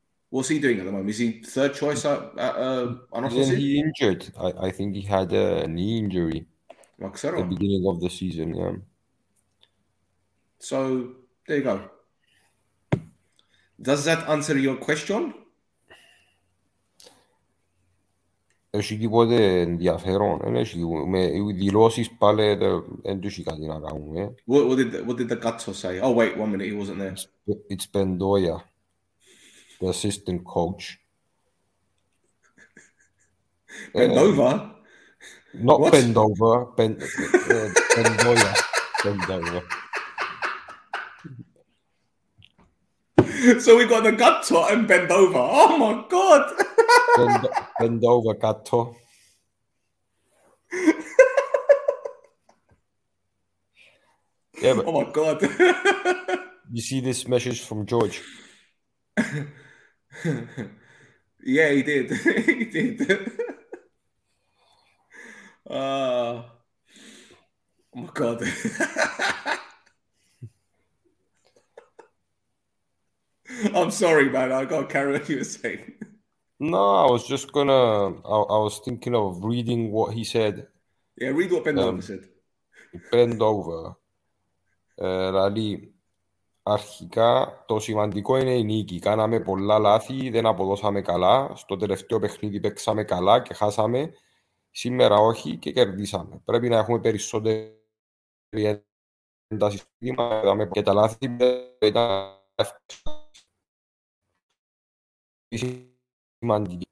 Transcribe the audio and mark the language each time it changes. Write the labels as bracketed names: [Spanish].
[English] What's he doing at the moment? Is he third choice at Anorthosis? He injured. I think he had a knee injury. like I said, the beginning of the season. Yeah. So there you go. Does that answer your question? [Greek] Έχει τίποτε ενδιαφέρον, δεν έχει με δηλώσεις πάλι δεν τους είχα την αγάπη μου. [English] What did the Gatso say? Oh wait, one minute, he wasn't there. It's Bendoya, the assistant coach. Bendova? Not what? Bendova, Bendoya. Bendoya. So we got the Gatto and Bendova. Oh my god! Bendova Gatto. Yeah, oh my god! You see this message from George? Yeah, he did. He did. Oh my god! I'm sorry, man. I got carried away. You were saying. No, I was just gonna. I was thinking of reading what he said. Yeah, read what Bendova said. [Greek] Bendova, Rally, αρχικά το σημαντικό είναι η νίκη. Κάναμε πολλά λάθη, δεν αποδώσαμε καλά. Στο τελευταίο παιχνίδι παίξαμε καλά και χάσαμε. Σήμερα όχι και κερδίσαμε. Πρέπει να έχουμε περισσότερη ένταση στο σύστημα και τα λάθη ήταν σημαντική.